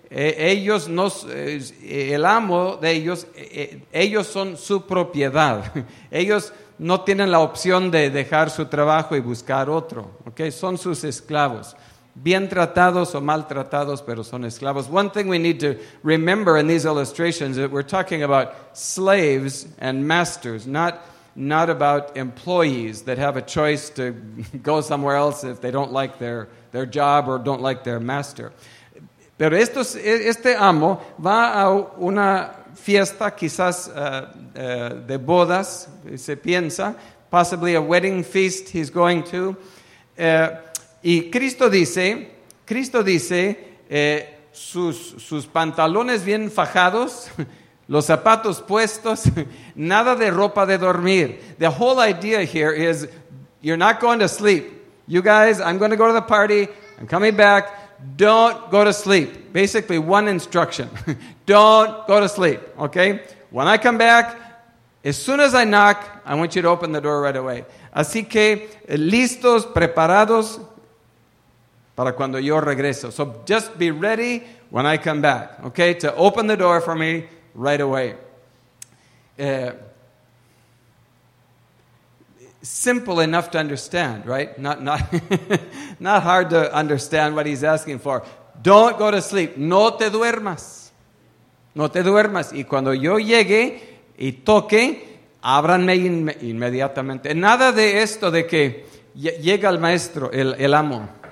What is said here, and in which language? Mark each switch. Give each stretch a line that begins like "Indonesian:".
Spanish: Ellos son su propiedad. Ellos no tienen la opción de dejar su trabajo y buscar otro, ¿okay? Son sus esclavos. Bien tratados o maltratados, pero son esclavos.
English: One thing we need to remember in these illustrations is that we're talking about slaves and masters, not about employees that have a choice to go somewhere else if they don't like their job or don't like their master.
Spanish: Pero este amo va a una fiesta, quizás de bodas, se piensa,
English: possibly a wedding feast he's going to.
Spanish: Y Cristo dice, sus pantalones bien fajados, los zapatos puestos, nada de ropa de dormir.
English: The whole idea here is, you're not going to sleep. You guys, I'm going to go to the party, I'm coming back, don't go to sleep. Basically, one instruction, don't go to sleep, okay? When I come back, As soon as I knock, I want you to open the door right away.
Spanish: Así que listos, preparados para cuando yo regreso.
English: So just be ready when I come back, okay? To open the door for me right away. Simple enough to understand, right? Not hard to understand what he's asking for. Don't go to sleep.
Spanish: No te duermas. No te duermas. Y cuando yo llegue y toque, ábranme inmediatamente. Nada de esto de que llega el maestro, el amo.